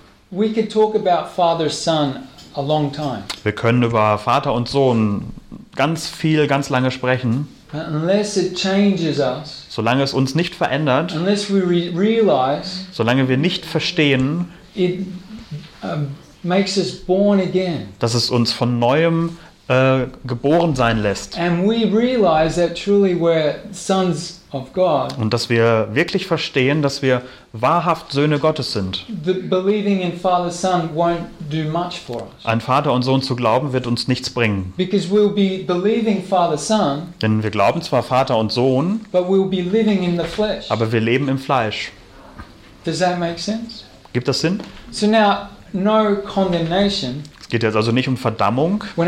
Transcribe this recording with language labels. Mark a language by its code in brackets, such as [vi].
[en] We could talk about father, son a long time. [de] Wir können über Vater und Sohn ganz viel, ganz lange sprechen. [en] But unless it changes us, [de] solange es uns nicht verändert, [en] unless we realize, [de] solange wir nicht verstehen, [en] it, makes us born again. [de] Dass es uns von Neuem geboren sein lässt. [en] And we realize that truly we're sons of God. [de] Und dass wir wirklich verstehen, dass wir wahrhaft Söhne Gottes sind. [en] The believing in Father, Son won't do much for us. [de] An Vater und Sohn zu glauben, wird uns nichts bringen. [en] Because we'll be believing Father, Son, [de] denn wir glauben zwar Vater und Sohn, [en] but we'll be living in the flesh. [de] Aber wir leben im Fleisch. [en] Does that make sense? [de] Gibt das Sinn? [en] So now, no condemnation. [de] Es geht jetzt also nicht um Verdammung.